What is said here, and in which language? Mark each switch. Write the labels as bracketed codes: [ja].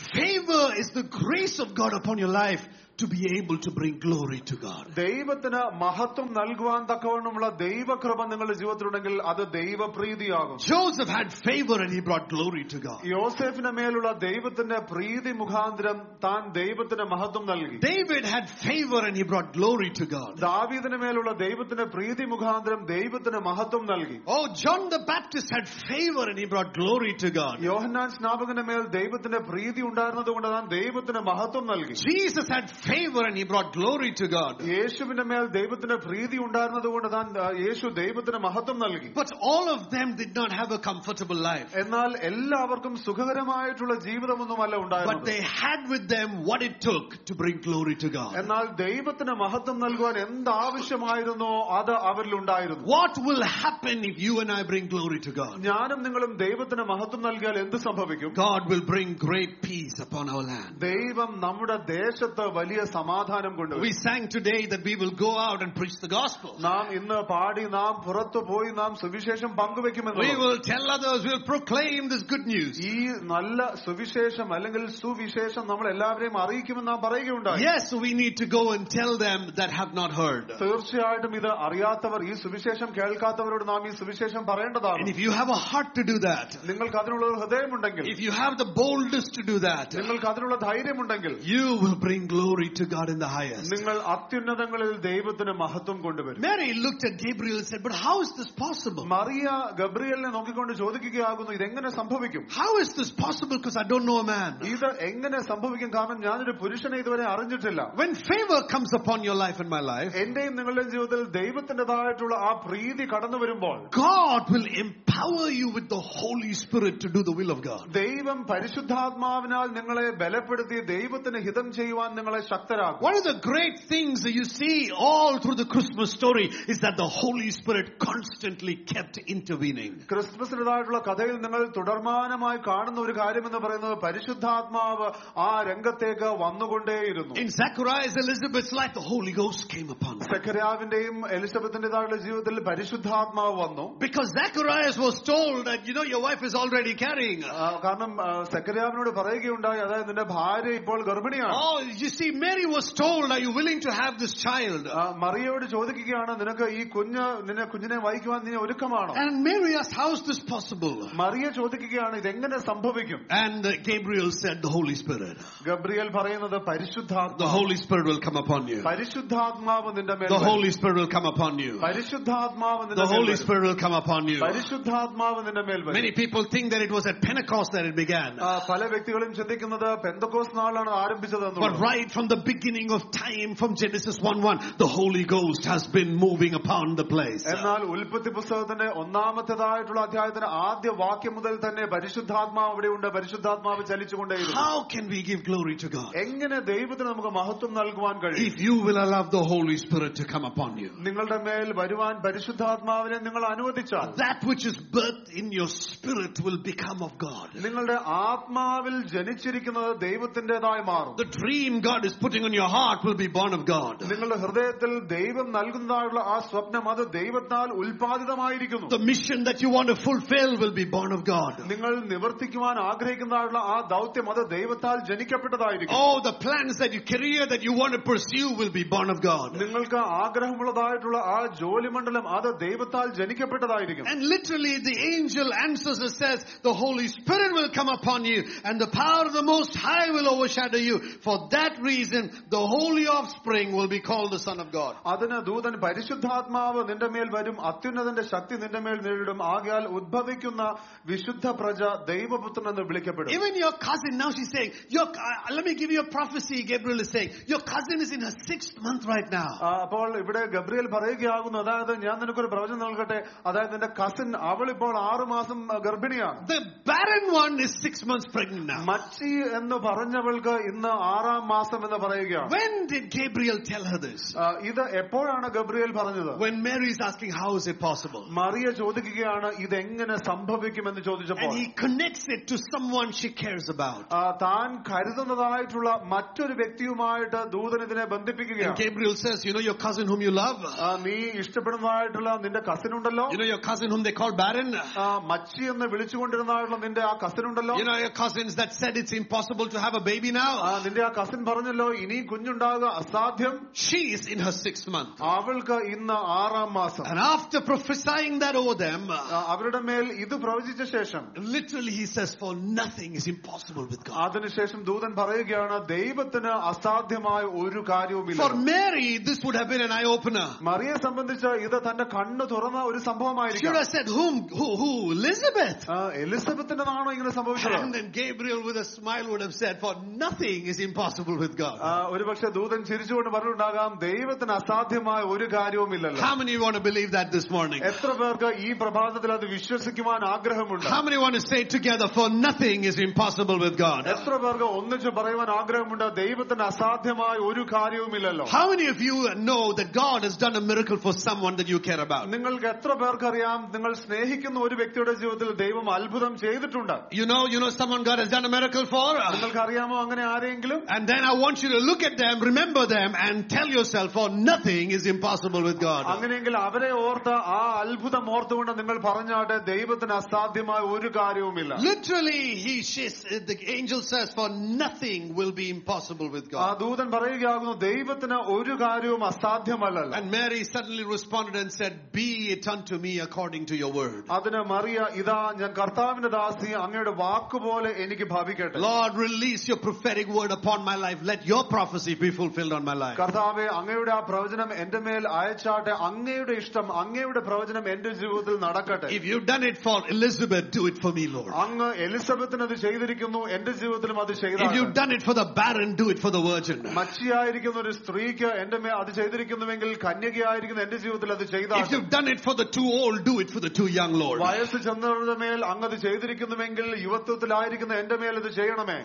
[en] Favour is the grace of God upon your life to be able to bring glory to God. [ml] ദൈവത്തിന് മഹത്വം നൽകുവാൻ തക്കവണ്ണമുള്ള ദൈവകൃപ നിങ്ങളുടെ ജീവിതത്തിൽ ഉണ്ടെങ്കിൽ അത് ദൈവപ്രീതിയാകും. [en] Joseph had favor and he brought glory to God. [ml] യോസേഫിനെ മേലുള്ള ദൈവത്തിന്റെ പ്രീതി മുഖാന്തരം താൻ ദൈവത്തിന് മഹത്വം നൽകി. [en] David had favor and he brought glory to God. [ml] ദാവീദിനെ മേലുള്ള ദൈവത്തിന്റെ പ്രീതി മുഖാന്തരം ദൈവത്തിന് മഹത്വം നൽകി. [en] Oh, John the Baptist had favor and he brought glory to God. [ml] യോഹന്നാൻ സ്നാപകന്റെ മേൽ ദൈവത്തിന്റെ പ്രീതി ഉണ്ടായിരുന്നതുകൊണ്ട് താൻ ദൈവത്തിന് മഹത്വം നൽകി. [en] Jesus had favor and he brought glory to God. [ml] യേശുവിന്റെ മേൽ ദൈവത്തിന്റെ പ്രീതി ഉണ്ടായിരുന്നതുകൊണ്ട് താൻ യേശു ദൈവത്തിന് മഹത്വം നൽകി. [en] But all of them did not have a comfortable life. [ml] എന്നാൽ എല്ലാവർക്കും സുഖകരമായിട്ടുള്ള ജീവിതമൊന്നുമല്ല ഉണ്ടായിരുന്നത്. [en] But they had with them what it took to bring glory to God. [ml] എന്നാൽ ദൈവത്തിന് മഹത്വം നൽകുവാൻ എന്താവശ്യമായിരുന്നോ അത് അവരിൽ ഉണ്ടായിരുന്നു. [en] What will happen if you and I bring glory to God? [ml] ഞാനും നിങ്ങളും ദൈവത്തിന് മഹത്വം നൽകിയാൽ എന്ത് സംഭവിക്കും? [en] God will bring great peace upon our land. [ml] ദൈവം നമ്മുടെ ദേശത്തെ വലിയ സമാധാനം കൊണ്ടുവരും. [en] We sang today that we will go out and preach the gospel. [ml] നാം ഇന്ന് പാടി നാം പുറത്തു പോയി നാം സുവിശേഷം പങ്കുവെക്കുമെന്ന്. [en] We will tell others, we will proclaim this good news. [ml] ഈ നല്ല സുവിശേഷം അല്ലെങ്കിൽ സുവിശേഷം നമ്മൾ എല്ലാവരെയും അറിയിക്കുമെന്ന് നാം പറയുകയുണ്ടായി. [en] Yes, we need to go and tell them that have not heard. [ml] തീർച്ചയായിട്ടും ഇത് അറിയാത്തവർ ഈ സുവിശേഷം കേൾക്കാത്തവരോട് നാം ഈ സുവിശേഷം പറയേണ്ടതാണ്. [en] And if you have a heart to do that, [ml] നിങ്ങൾക്ക് അതിനുള്ള ഒരു ഹൃദയം ഉണ്ടെങ്കിൽ, [en] if you have the boldness to do that, [ml] നിങ്ങൾക്ക് അതിനുള്ള ധൈര്യം ഉണ്ടെങ്കിൽ, [en] you will bring glory to God in the highest. [ml] നിങ്ങൾ അത്യുന്നതങ്ങളിൽ ദൈവത്തിന് മഹത്വം കൊണ്ടുവരും. [en] Mary looked at Gabriel and said, but how is this possible? [ml] Mariya ഗബ്രിയേലിനെ നോക്കിക്കൊണ്ട് ചോദിക്കുകയാകുന്നു, ഇതെങ്ങനെ സംഭവിക്കും? [en] How is this possible because I don't know a man. [ml] ഇത് എങ്ങനെ സംഭവിക്കും? കാരണം ഞാനൊരു പുരുഷനെ ഇതുവരെ അറിഞ്ഞിട്ടില്ല. [en] When favor comes upon your life and my life, [ml] എന്റെയും നിങ്ങളുടെയും ജീവിതത്തിൽ ദൈവത്തിന്റേതായിട്ടുള്ള ആ പ്രീതി കടന്നു വരുമ്പോൾ, [en] God will empower you with the Holy Spirit to do the will of God. [ml] ദൈവം പരിശുദ്ധാത്മാവിനാൽ നിങ്ങളെ ബലപ്പെടുത്തി ദൈവത്തിന് ഹിതം ചെയ്യുവാൻ നിങ്ങളെ ശക്തരാക്കും. [en] One of the great things that you see all through the Christmas story is that the Holy Spirit constantly kept intervening. [ml] ക്രിസ്മസിനേതായിട്ടുള്ള കഥയിൽ നിങ്ങൾ തുടർമാനമായി കാണുന്ന ഒരു കാര്യം എന്ന് പറയുന്നത് പരിശുദ്ധാത്മാവ് ആ രംഗത്തേക്ക് വന്നുകൊണ്ടേയിരുന്നു. [en] In Zechariah's Elizabeth's life, the Holy Ghost came upon her. [ml] സെക്കരിയാവിന്റെയും എലിസബത്തിന്റേതായിട്ടുള്ള ജീവിതത്തിൽ പരിശുദ്ധാത്മാവ് വന്നു. [en] Because Zechariah was told that, you know, your wife is already carrying. [ml] കാരണം സെക്കരിയാവിനോട് പറയുകയുണ്ടായി, അതായത് നിന്റെ ഭാര്യ ഇപ്പോൾ ഗർഭിണിയാണ്. [en] Oh, you see, Mary was told, are you willing to have this child? [ml] മറിയയോട് ചോദിക്കുകയാണ്, നിനക്ക് ഈ കുഞ്ഞ് നിന്നെ കുഞ്ഞിനെ വഹിക്കുവാൻ നീ ഒരുക്കമാണോ? [en] And Mary asked, how is this possible? [ml] Mariya ചോദിക്കുകയാണ്, ഇതെങ്ങനെ സംഭവിക്കും? [en] And Gabriel said, the Holy Spirit. [ml] Gabriel പറയുന്നത് പരിശുദ്ധാത്മാവ്. [en] The Holy Spirit will come upon you. [ml] പരിശുദ്ധാത്മാവ് നിന്റെ മേൽ. [en] The Holy Spirit will come upon you. [ml] പരിശുദ്ധാത്മാവ് നിന്റെ മേൽ. [en] The Holy Spirit will come upon you. [ml] പരിശുദ്ധാത്മാവ് നിന്റെ മേൽ. [en] Many people think that it was at Pentecost that it began. [ml] പല വ്യക്തികളും ചിന്തിക്കുന്നത് പെന്തക്കോസ്ത് നാളാണ് ആരംഭിച്ചത് എന്നാണ്. [en] But right from the beginning of time, from Genesis 1:1, the Holy Ghost has been moving upon the place. [ml] എന്നാൽ ഉൽപ്പത്തി പുസ്തകത്തിന്റെ ഒന്നാമത്തേതായിട്ടുള്ള അധ്യായത്തിന്റെ ആദ്യ വാക്യം മുതൽ തന്നെ പരിശുദ്ധാത്മാവ് അവിടെയുണ്ട്, പരിശുദ്ധാത്മാവ് ചലിച്ചുകൊണ്ടേയിരുന്നു. [en] How can we give glory to God? [ml] എങ്ങനെ ദൈവത്തിന് നമുക്ക് മഹത്വം നൽകുവാൻ കഴിയും? [en] If you will allow the Holy Spirit to come upon you. [ml] നിങ്ങളുടെ മേൽ വരുവാൻ പരിശുദ്ധാത്മാവിനെ നിങ്ങൾ അനുവദിച്ചാൽ, [en] that which is birthed in your spirit will become of God. [ml] നിങ്ങളുടെ ആത്മാവിൽ ജനിച്ചിരിക്കുന്നത് ദൈവത്തിന്റേതായി മാറും. [en] The dream God is putting on your heart will be born of God. [ml] നിങ്ങളുടെ ഹൃദയത്തിൽ ദൈവം നൽകുന്നതായുള്ള ആ സ്വപ്നം അത് ദൈവത്താൽ ഉൽപാദിതമായിരിക്കുന്നു. [en] The mission that you want to fulfill will be born of God. [ml] നിങ്ങൾ നിവർത്തിക്കുവാൻ ആഗ്രഹിക്കുന്നതായുള്ള ആ ദൗത്യം അത് ദൈവത്താൽ ജനിക്കപ്പെട്ടതായിരിക്കും. [en] Oh, the plans that you career that you want to pursue will be born of God. [ml] നിങ്ങൾക്ക് ആഗ്രഹമുള്ളതായിട്ടുള്ള ആ ജോലിമണ്ഡലം അത് ദൈവത്താൽ ജനിക്കപ്പെട്ടതായിരിക്കും. [en] And literally the angel answers and says, the Holy Spirit will come upon you and the power of the Most High will overshadow you. For that reason, the holy offspring will be called the Son of God. [ml] അതിനെ ദൂതൻ പരിശുദ്ധാത്മാവ് നിന്റെ മേൽ വരും, അത്യുന്നതന്റെ ശക്തി നിന്റെ മേൽ നേരിടും, ആകയാൽ ഉദ്ഭവിക്കുന്ന വിശുദ്ധ പ്രജ ദൈവപുത്രൻ എന്ന് വിളിക്കപ്പെടും. [en] Even your cousin, now she's saying, let me give you a prophecy, Gabriel is saying, your cousin is in her 6th month right now. [ml] അപ്പോൾ ഇവിടെ ഗബ്രിയൽ പറയുകയാകുന്നു, അതായത് ഞാൻ നിനക്ക് ഒരു പ്രവചനം നൽകട്ടെ, അതായത് നിന്റെ കസിൻ അവൾ ഇപ്പോൾ 6 മാസം ഗർഭിണിയാണ്. [en] The barren one is 6 months pregnant now. [ml] മച്ചി എന്ന് പറഞ്ഞവൾക്ക് ഇന്ന് 6ാം മാസം എന്ന് പറയുകയാണ്. [en] When did Gabriel tell her this? [ml] ഇത് എപ്പോഴാണ് ഗബ്രിയൽ പറഞ്ഞത്? [en] When Mary is asking, how is it possible? [ml] Mariya ചോദിക്കുകയാണ്, ഇത് എങ്ങനെ സംഭവിക്കും എന്ന് ചോദിച്ചപ്പോൾ. [en] And he connects it to someone she cares about. [ml] താൻ കരുതുന്നതായിട്ടുള്ള മറ്റൊരു വ്യക്തിയുമായിട്ട് ദൂതൻ ഇതിനെ ബന്ധിപ്പിക്കുകയാണ്. [en] Gabriel says, you know your cousin whom you love? [ml] നീ ഇഷ്ടപ്പെടുന്നതായിട്ടുള്ള നിന്റെ കസിൻ ഉണ്ടല്ലോ. [en] You know your cousin whom they call barren? [ml] മച്ചി എന്ന് വിളിച്ചുകൊണ്ടിരുന്നതായിട്ടുള്ള നിന്റെ ആ കസിൻ ഉണ്ടല്ലോ. [en] You know your cousins that said it's impossible to have a baby now? [ml] നിന്റെ ആ cousin പറഞ്ഞല്ലോ, ഇതോ ഇനി കുഞ്ഞുണ്ടാവുക അസാധ്യം. [en] She is in her 6th month. [ml] അവൾക്ക് ഇന്ന് [en] 6th month. And after prophesying that over them, [ml] അവരുടെ മേൽ ഇത് പ്രവചിച്ച ശേഷം, [en] literally he says, for nothing is impossible with God. [ml] അതിനു ശേഷം ദൂതൻ പറയുകയാണ്, ദൈവത്തിന് അസാധ്യമായ ഒരു കാര്യവുമില്ല. [en] For Mary, this would have been an eye opener. [ml] മറിയെ സംബന്ധിച്ച് ഇത് തന്റെ കണ്ണ് തുറന്ന ഒരു സംഭവമായിരിക്കും. [en] She would have said, who Elizabeth? [ml] എലിസബത്തിന്റെ നാണോ ഇങ്ങനെ സംഭവിച്ചത്? [en] And then Gabriel with a smile would have said, for nothing is impossible with God. [ml] ഒരുപക്ഷെ ദൂതൻ ചിരിച്ചുകൊണ്ട് പറഞ്ഞിട്ടുണ്ടാകാം, ദൈവത്തിന് അസാധ്യമായ ഒരു കാര്യവുമില്ലല്ലോ. [en] How many want to believe that this morning? [ml] എത്ര പേർക്ക് ഈ പ്രഭാതത്തിൽ അത് വിശ്വസിക്കുവാൻ ആഗ്രഹമുണ്ട്? [en] How many want to say together, for nothing is impossible with God? [ml] എത്ര പേർക്ക് ഒന്നിച്ച് പറയുവാൻ ആഗ്രഹമുണ്ട്, ദൈവത്തിന് അസാധ്യമായ ഒരു കാര്യവുമില്ലല്ലോ? [en] How many of you know that God has done a miracle for someone that you care about? [ml] നിങ്ങൾക്ക് എത്ര പേർക്ക് അറിയാം, നിങ്ങൾ സ്നേഹിക്കുന്ന ഒരു വ്യക്തിയുടെ ജീവിതത്തിൽ ദൈവം അത്ഭുതം ചെയ്തിട്ടുണ്ട്? [en] You know someone God has done a miracle for? [ml] നിങ്ങൾക്ക് അറിയാമോ അങ്ങനെ ആരെങ്കിലും? [en] And then I want you to look at them, remember them, and tell yourself, for nothing is impossible with God. [ml] അങ്ങനെയെങ്കിൽ അവരെ ഓർത്ത് ആ അത്ഭുതം ഓർത്തുകൊണ്ട് നിങ്ങൾ പറഞ്ഞാട്ടെ, ദൈവത്തിന് അസാധ്യമായ ഒരു കാര്യവുമില്ല. [en] Literally, the angel says, for nothing will be impossible with God. [ml] ദൂതൻ പറയുകയാകുന്നു, ദൈവത്തിന് ഒരു കാര്യവും അസാധ്യമല്ലല്ലോ. [en] And Mary suddenly responded and said, be it unto me according to your word. [ml] അതിന് മറിയ, ഇതാ ഞാൻ കർത്താവിന്റെ ദാസി, അങ്ങയുടെ വാക്കുപോലെ എനിക്ക് ഭവിക്കട്ടെ. [en] Lord, release your prophetic word upon my life. Let your prophecy be fulfilled on my life. [ml] കർത്താവേ, അങ്ങയുടെ ആ പ്രവചനം എന്റെ മേൽ അയച്ചാട്ടെ, അങ്ങയുടെ ഇഷ്ടം, അങ്ങയുടെ പ്രവചനം എന്റെ ജീവിതത്തിൽ നടക്കട്ടെ. [en] If you've done it for Elizabeth, do it for me, Lord. [ml] അങ്ങ് എലിസബത്തിന് അത് ചെയ്തിരിക്കുന്നു, എന്റെ ജീവിതത്തിലും അത് ചെയ്താൽ. [en] If you've done it for the barren, do it for the virgin. [ml] മച്ചിയായിരിക്കുന്ന ഒരു സ്ത്രീക്ക് എന്റെ മേൽ അത് ചെയ്തിരിക്കുന്നുവെങ്കിൽ, കന്യകയായിരിക്കുന്ന എന്റെ ജീവിതത്തിൽ അത് ചെയ്താൽ. [en] If you've done it for the too old, do it for the too young, Lord. [ml] വയസ്സ് ചെന്നവരുടെ മേൽ അങ്ങ് അത് ചെയ്തിരിക്കുന്നുവെങ്കിൽ, യുവത്വത്തിലായിരിക്കുന്ന എന്റെ മേൽ അത് ചെയ്യണമേ.